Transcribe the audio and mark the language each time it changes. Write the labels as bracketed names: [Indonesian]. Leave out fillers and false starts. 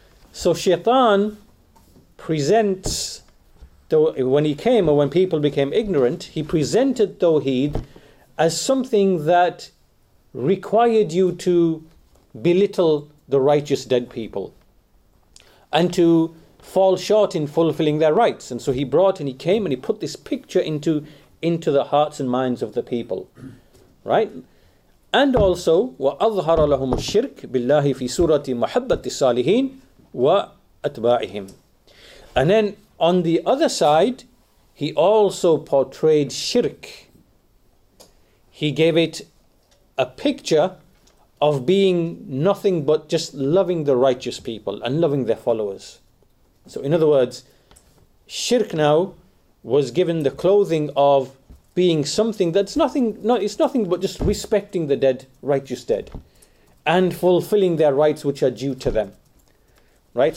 [English] So Shaitan presents, when he came or when people became ignorant, he presented Tawheed as something that required you to belittle the righteous dead people and to fall short in fulfilling their rights. And so he brought and he came and he put this picture into the hearts and minds of the people. Right? And also, [Arabic] وَأَظْهَرَ لَهُمُ الشِّرْكِ بِاللَّهِ فِي سُورَةِ مَحَبَّةِ الصَّالِحِينَ وَأَتْبَاعِهِمْ. [English] And then on the other side, he also portrayed shirk. He gave it a picture of being nothing but just loving the righteous people and loving their followers. So in other words, shirk now was given the clothing of being something that's nothing, no, it's nothing but just respecting the dead, righteous dead, and fulfilling their rights which are due to them. Right?